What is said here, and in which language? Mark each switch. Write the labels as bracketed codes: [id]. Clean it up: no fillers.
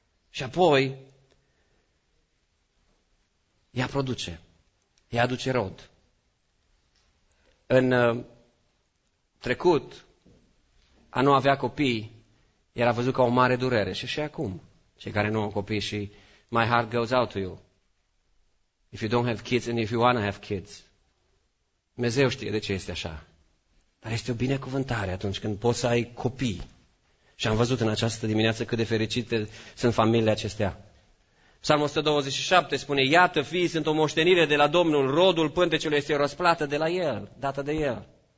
[ro] Și apoi, ea produce, ea aduce rod. În trecut, a nu avea copii era văzut ca o mare durere. Și acum, cei care nu au copii, și [en] my heart goes out to you. If you don't have kids and if you want to have kids. [ro] Dumnezeu știe de ce este așa. Dar este o binecuvântare atunci când poți să ai copii. Și am văzut în această dimineață cât de fericite sunt familiile acestea. Psalmul 127 spune, iată, fiii sunt o moștenire de la Domnul, rodul pântecelui este o răsplată de la El, dată de El.